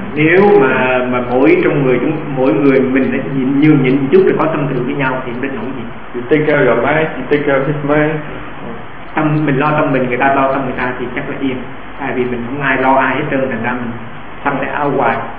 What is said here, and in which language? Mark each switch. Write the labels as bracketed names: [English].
[Vietnamese] Nếu mà mỗi người mình đã nhìn chút rồi có tâm thương với nhau thì mình không gì. [English] You take care of your mind, you take care of his mind. [Vietnamese] Tâm mình lo tâm mình, người ta lo tâm người ta thì chắc là yên. Tại vì mình không ai lo ai hết trơn, thành ra mình tâm sẽ ao hoài.